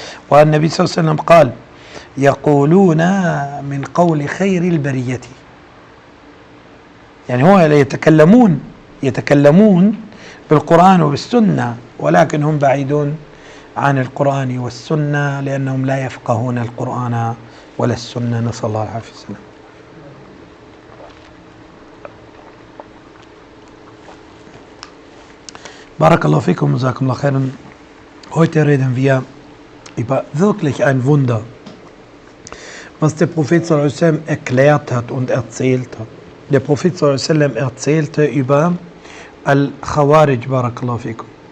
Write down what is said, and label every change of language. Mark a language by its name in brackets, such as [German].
[Arabic] والنبي صلى الله عليه وسلم قال: يقولون من قول خير البرية، يعني هو يتكلمون بالقرآن وبالسنة، ولكن هم بعيدون عن القرآن والسنة لأنهم لا يفقهون القرآن ولا السنة، نسأل الله العافية والسلامة. بارك الله فيكم وجزاكم الله خيرا. [German] heute reden wir über wirklich ein Wunder, was der Prophet صلى الله عليه وسلم erklärt hat und erzählt hat. Der Prophet صلى الله عليه وسلم erzählte über الخوارج [Arabic] بارك الله فيكم.